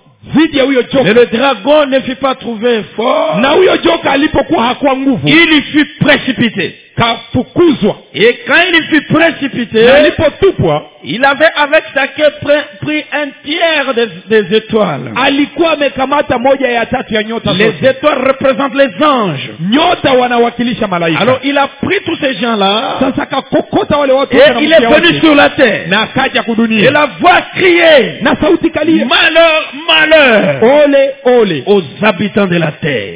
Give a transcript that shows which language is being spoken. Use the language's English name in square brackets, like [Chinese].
[Swahili] Dhidi ya huyo joka. [French] Mais le dragon ne fut pas trouvé fort. [Swahili] Na huyo joka alipokuwa hakuwa nguvu. [French] Il fut précipité. [Swahili] Kafukuzwa. [French] Et quand il fut précipité, [Swahili] alipotupwa, [French] il avait avec sa queue pris un tiers des étoiles. [Swahili] Alikuwa amekamata moja ya tatu ya nyota. [French] Les étoiles représentent les anges. [Swahili] Nyota wanawakilisha malaika. [French] Alors il a pris tous ces gens-là. [Swahili] Sasa kakokota wale watu. [French] Et il est venu sur la terre. [Swahili] Na kaja kudunia. [French] Et la voix criait. [Swahili] Na sauti kalia. [French] Malheur, malheur. [Swahili] Ole, ole. [French] Aux habitants de la terre.